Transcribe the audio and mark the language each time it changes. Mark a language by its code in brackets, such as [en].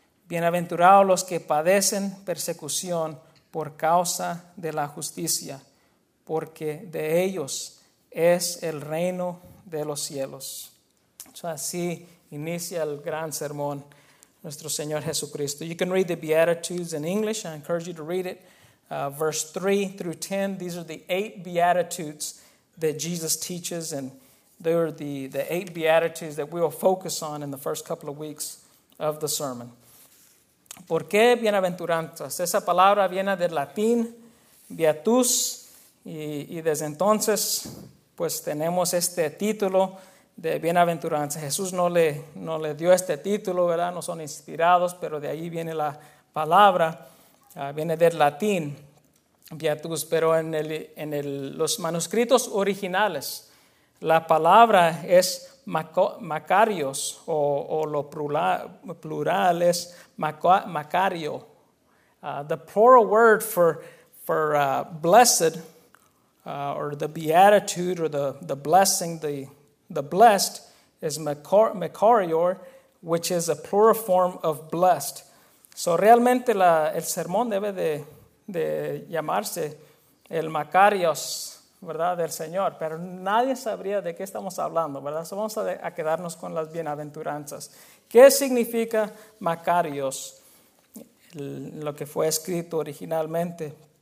[es] Bienaventurados los que padecen persecución por causa de la justicia, porque de ellos es el reino de los cielos. Así inicia el gran sermón nuestro Señor Jesucristo. [en] You can read the Beatitudes in English. I encourage you to read it. Verse 3 through 10, these are the 8 Beatitudes that Jesus teaches, and they are the 8 Beatitudes that we will focus on in the first couple of weeks of the sermon. [es] ¿Por qué bienaventuranzas? Esa palabra viene del latín, beatus. Y desde entonces, pues tenemos este título de bienaventuranza. Jesús no le dio este título, ¿verdad? No son inspirados, pero de ahí viene la palabra, viene del latín, beatus. Pero en los manuscritos originales, la palabra es makarios, o lo plural es makario. [en] The plural word for blessed, or the beatitude, or the blessing, the blessed, is makarior, which is a plural form of blessed. [es] So realmente el sermón debe de llamarse el makarios, ¿verdad?, del Señor. Pero nadie sabría de qué estamos hablando, ¿verdad? So vamos a quedarnos con las bienaventuranzas. ¿Qué significa makarios? Lo que fue escrito originalmente.